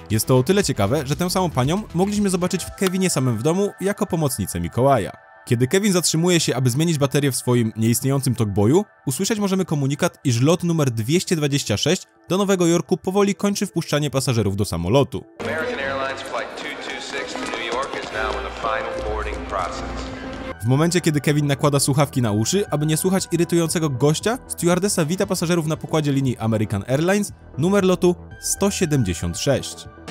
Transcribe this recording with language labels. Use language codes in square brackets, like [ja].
[pl] Jest to o tyle ciekawe, że tę samą panią mogliśmy zobaczyć w Kevinie samym w domu jako pomocnicę Mikołaja. Kiedy Kevin zatrzymuje się, aby zmienić baterię w swoim nieistniejącym Talkboyu, usłyszeć możemy komunikat, iż lot numer 226 do Nowego Jorku powoli kończy wpuszczanie pasażerów do samolotu. [en] American Airlines Flight 226 to New York is now in the final boarding process. [pl] W momencie, kiedy Kevin nakłada słuchawki na uszy, aby nie słuchać irytującego gościa, stewardesa wita pasażerów na pokładzie linii American Airlines, numer lotu 176.